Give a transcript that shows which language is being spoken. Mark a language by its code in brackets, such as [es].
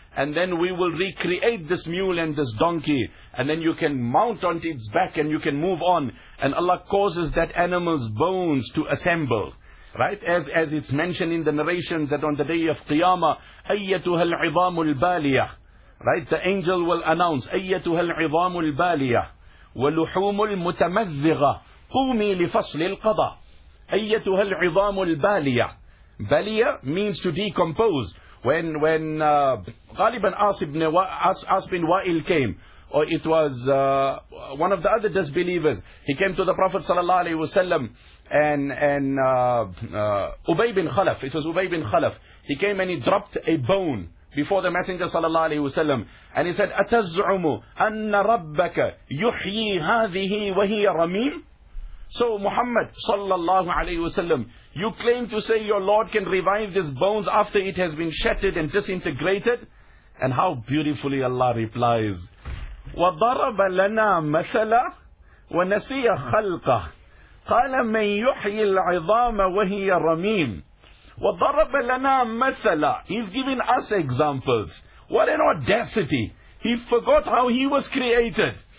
[en] And then we will recreate this mule and this donkey. And then you can mount onto its back and you can move on. And Allah causes that animal's bones to assemble. Right? As it's mentioned in the narrations that on the day of Qiyamah, [ar] أَيَّتُهَا الْعِظَامُ الْبَالِيَةُ. [en] Right? The angel will announce, [ar] أَيَّتُهَا الْعِظَامُ الْبَالِيَةُ وَلُحُومُ الْمُتَمَزِّغَةُ قُومِي لِفَصْلِ الْقَضَى. أَيَّتُهَا الْعِظَامُ الْبَالِيَةُ. [en] Baliya means to decompose. When Ghaliban As bin Wa'il came, or it was one of the other disbelievers, he came to the Prophet sallallahu alaihi wasallam, and Ubay bin Khalaf. It was Ubay bin Khalaf. He came and he dropped a bone before the Messenger sallallahu alaihi wasallam, and he said, [ar] "Atazumu anna Rabbaka yuhi hadhihi wahiya ramim." [en] So Muhammad sallallahu alayhi wasallam, you claim to say your Lord can revive these bones after it has been shattered and disintegrated? And how beautifully Allah replies, [ar] وَضَرَبَ لَنَا مَثَلًا وَنَسِيَ خَلْقَهُ قَالَ مَنْ يُحْيِي الْعِظَامَ وَهِيَ رَمِيمٌ وَضَرَبَ لَنَا مَثَلًا. [en] He's giving us examples. What an audacity. He forgot how he was created.